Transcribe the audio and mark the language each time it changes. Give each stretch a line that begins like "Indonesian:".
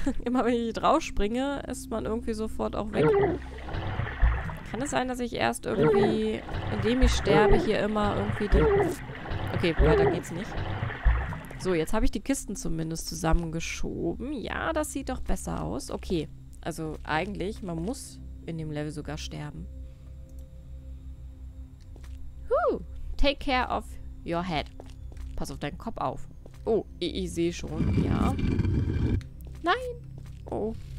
German: Immer wenn ich drauf springe, ist man irgendwie sofort auch weg. Kann es sein, dass ich erst irgendwie, indem ich sterbe, hier immer irgendwie den... Okay, weiter geht's nicht. So, jetzt habe ich die Kisten zumindest zusammengeschoben. Ja, das sieht doch besser aus. Okay, also eigentlich, man muss in dem Level sogar sterben.
English: Huh, take care of your head.
German: Pass auf deinen Kopf auf. Oh, ich sehe schon, ja. Nein! Oh.